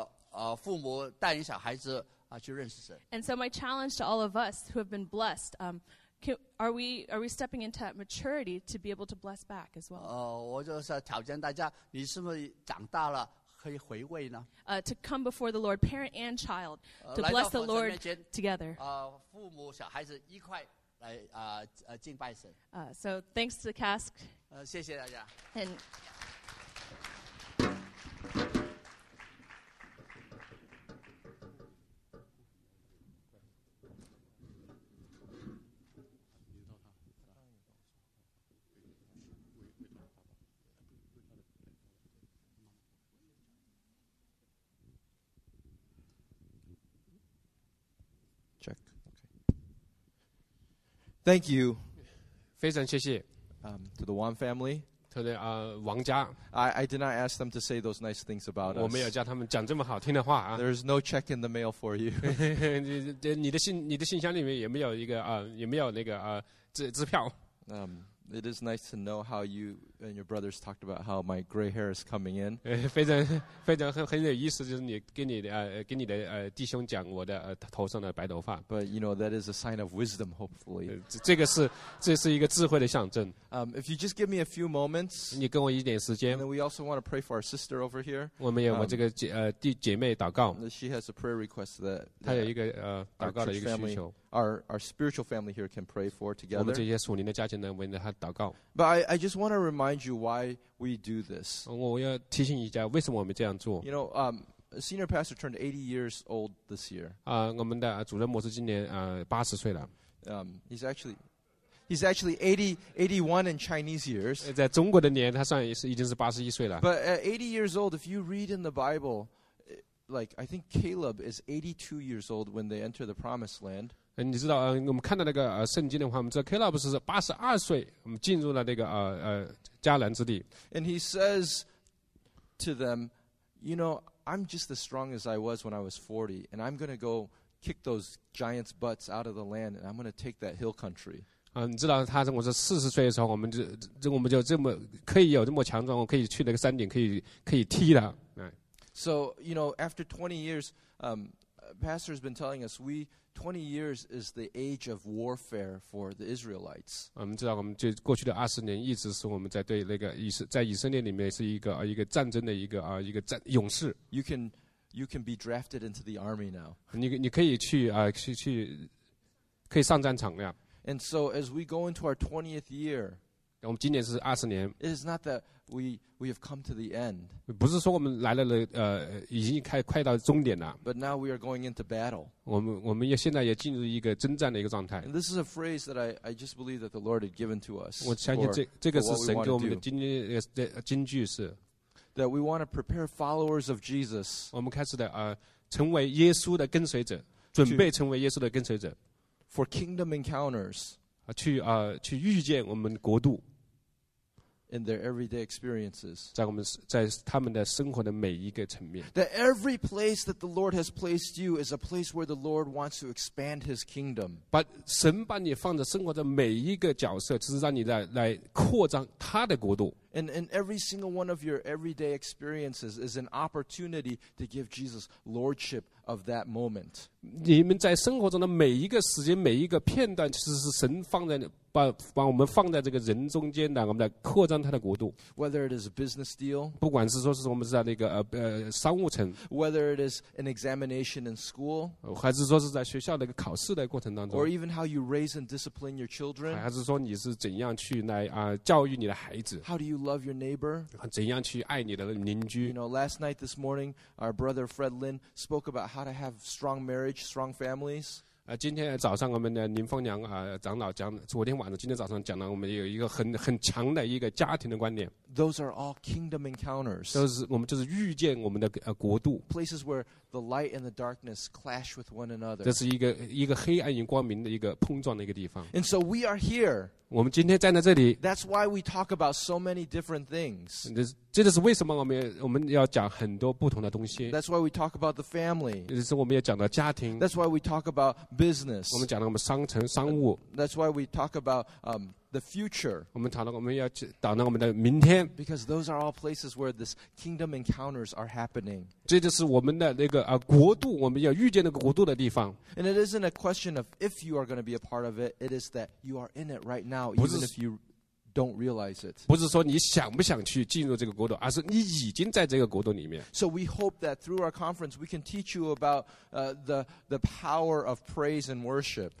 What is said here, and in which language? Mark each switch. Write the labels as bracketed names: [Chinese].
[Chinese] 那属灵的父母带领小孩子去认识神。 [English] And so my challenge to all of us who have been blessed, are we stepping into that maturity to be able to bless back as well? [Chinese] 我就是挑战大家，你是不是长大了？ [English] To come before the Lord, parent and child, to bless the Lord together. So thanks to the CASC. And thank you. [Chinese] 非常谢谢, [English] to the Wang family. To the Wang Jia. I did not ask them to say those nice things about us. [Chinese] 我没有叫他们讲这么好听的话, [English] there's no check in the mail for you. [Chinese] 你的信箱里面也没有那个支票。 [English] It is nice to know how you and your brothers talked about how my gray hair is coming in. [Chinese] 非常有意思，就是你跟你的弟兄讲我的头上的白头发。 [English] But you know that is a sign of wisdom, hopefully. [Chinese] 这是一个智慧的象征。 [English] If you just give me a few moments, [Chinese] 你跟我一点时间。 [English] And then we also want to pray for our sister over here. [Chinese] 我们也为这个姐妹祷告。 [English] She has a prayer request that [Chinese] 她有一个祷告的一个需求。 [English] Our spiritual family here can pray for together. [Chinese] 我们这些属灵的家庭呢，为她。祷告。 [English] But I just want to remind you why we do this. [Chinese] 我要提醒一下为什么我们这样做。 [English] You know, senior pastor turned 80 years old this year. [Chinese] 我们的主任牧师今年80岁了。 [English] He's actually 81 in Chinese years. [Chinese] 在中国的年他算已经是81岁了。 [English] But at 80 years old, if you read in the Bible, like I think Caleb is 82 years old when they enter the promised land. [Chinese] 你知道，我们看到那个圣经的话，我们知道 Caleb 是82岁，我们进入了那个迦南之地。 [English] And he says to them, "You know, I'm just as strong as I was when I was 40, and I'm going to go kick those giants' butts out of the land, and I'm going to take that hill country." [Chinese] 你知道他说，我是40岁的时候，我们就这么可以有这么强壮，我可以去那个山顶，可以踢的。 [English] So you know, after 20 years, pastor has been telling us we. 20 years is the age of warfare for the Israelites. [Chinese] 我们知道，我们就过去的二十年一直是我们在对那个在以色列里面是一个战争的一个战勇士。 [English] You can be drafted into the army now. [Chinese] 你可以去去可以上战场了。 [English] And so as we go into our 20th year, [Chinese] 我们今年是二十年。 [English] It is not that we have come to the end. [Chinese] 不是说我们来了已经快到终点了。 [English] But now we are going into battle. [Chinese] 我们也现在也进入一个征战的一个状态。 [English] And this is a phrase that I just believe that the Lord had given to us. [Chinese] 我相信这个是神给我们的金句是。 [English] That we want to prepare followers of Jesus. [Chinese] 我们开始的成为耶稣的跟随者，准备成为耶稣的跟随者。 [English] For kingdom encounters. [Chinese] 去遇见我们国度 [English] in their everyday experiences, [Chinese] 在他们的生活的每一个层面 [English] that every place that the Lord has placed you is a place where the Lord wants to expand His kingdom. But [Chinese] 神把你放在生活的每一个角色，就是让你来扩张他的国度。 [English] And every single one of your everyday experiences is an opportunity to give Jesus lordship of that moment. [Chinese] 你们在生活中的每一个时间、每一个片段，其实是神放在把我们放在这个人中间的，我们来扩张他的国度。 [English] Whether it is a business deal, [Chinese] 不管是说是我们是在那个商务层 [English] ，whether it is an examination in school, [Chinese] 还是说是在学校的一个考试的过程当中 [English] ，or even how you raise and discipline your children, [Chinese] 还是说你是怎样去来教育你的孩子 [English] ，how do you love your neighbor, [Chinese] 怎样去爱你的邻居 [English] ？You know, last night, this morning, our brother Fred Lin spoke about how to have strong marriage, strong families. [Chinese] 今天早上我们的林凤娘长老讲，昨天晚上、今天早上讲了，我们有一个很强的一个家庭的观念。 [English] Those are all kingdom encounters. [Chinese] 都是我们就是遇见我们的国度。 [English] Places where the light and the darkness clash with one another. [Chinese] 这是一个黑暗与光明的一个碰撞的一个地方。 [English] And so we are here. [Chinese] 我们今天站在这里。 [English] That's why we talk about so many different things. [Chinese] 这就是为什么我们要讲很多不同的东西。 [English] That's why we talk about the family. [Chinese] 这是我们要讲的家庭。 [English] That's why we talk about business. [Chinese] 我们讲了我们商城商务。 [English] That's why we talk about the future. [Chinese] 我们讨论我们要讲到我们的明天。 [English] Because those are all places where this kingdom encounters are happening. [Chinese] 这就是我们的那个国度，我们要遇见那个国度的地方。 [English] And it isn't a question of if you are going to be a part of it. It is that you are in it right now, even if you. Don't realize it. [Chinese] 不是说你想不想去进入这个国度，而是你已经在这个国度里面。 [English] So we hope that through our conference, we can teach you about the power of praise and worship.